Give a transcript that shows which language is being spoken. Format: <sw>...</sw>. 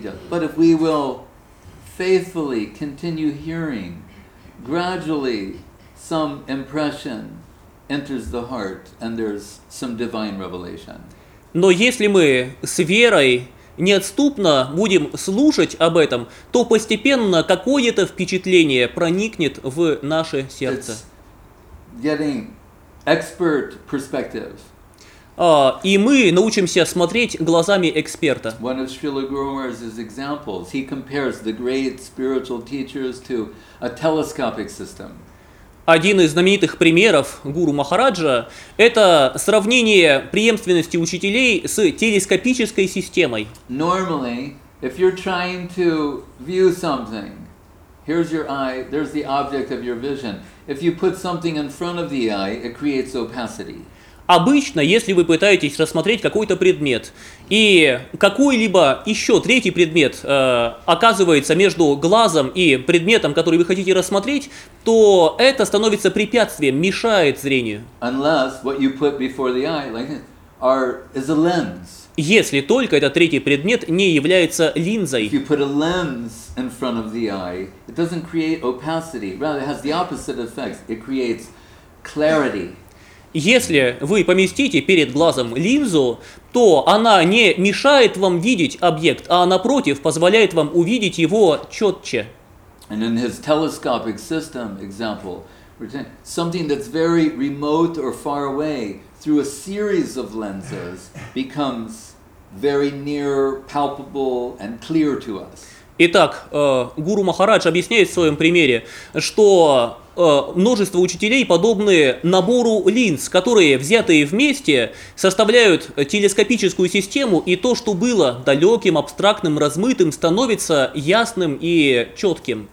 <en>But if we will faithfully continue hearing, gradually some impression enters the heart and there's some divine revelation.</en> <ru>Но если мы с верой неотступно будем слушать об этом, то постепенно какое-то впечатление проникнет в наше сердце.</ru> <en>It's getting expert perspective.</en> <ru>И мы научимся смотреть глазами эксперта.</ru> <en>One of Srila Guru Maharaj's examples, he compares the great spiritual teachers to a telescopic system.</en> <ru>Один из знаменитых примеров Гуру Махараджа – это сравнение преемственности учителей с телескопической системой.</ru> <en>Normally, if you're trying to view something, here's your eye, there's the object of your vision. If you put something in front of the eye, it creates opacity.</en> <ru>обычно, если вы пытаетесь рассмотреть какой-то предмет, и какой-либо еще третий предмет оказывается между глазом и предметом, который вы хотите рассмотреть, то это становится препятствием, мешает зрению.</ru> <en>Unless what you put before the eye, like it, is a lens.</en> <ru>Если только этот третий предмет не является линзой.</ru> <en>If you put a lens in front of the eye, it doesn't create opacity. Rather, it has the opposite effect. It creates clarity.</en> <ru>Если вы поместите перед глазом линзу, то она не мешает вам видеть объект, а напротив, позволяет вам увидеть его четче.</ru> <en>And in his telescopic system example, something that's very remote or far away through a series of lenses becomes very near, palpable and clear to us.</en> <ru>Итак, Гуру Махарадж объясняет в своем примере, что множество учителей подобны набору линз, которые, взятые вместе, составляют телескопическую систему, и то, что было далеким, абстрактным, размытым, становится ясным и четким.</ru>